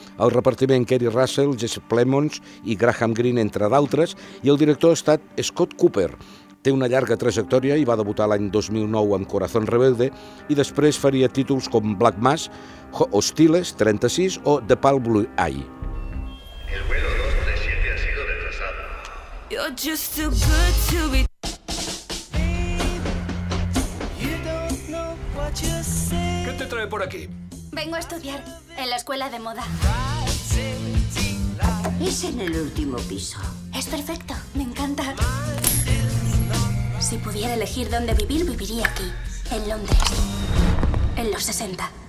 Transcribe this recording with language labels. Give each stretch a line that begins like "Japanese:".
Catalan: El repartiment, Kerry Russell, Jesse Plemons i Graham Greene, entre d'altres, i el director ha estat Scott Cooper. Té una llarga trajectòria i va debutar l'any 2009 amb Corazón Rebelde i després faria títols com Black Mass, Hostiles 36 o The Pale Blue Eye.
Spanish: El vuelo 237 ha sido retrasado.
English: You're just too good to be.
Spanish: ¿Qué te trae por aquí? Vengo a estudiar en la escuela de moda. Es en el último piso. Es perfecto, me encanta. Si pudiera elegir dónde vivir, viviría aquí, en Londres, en los 60.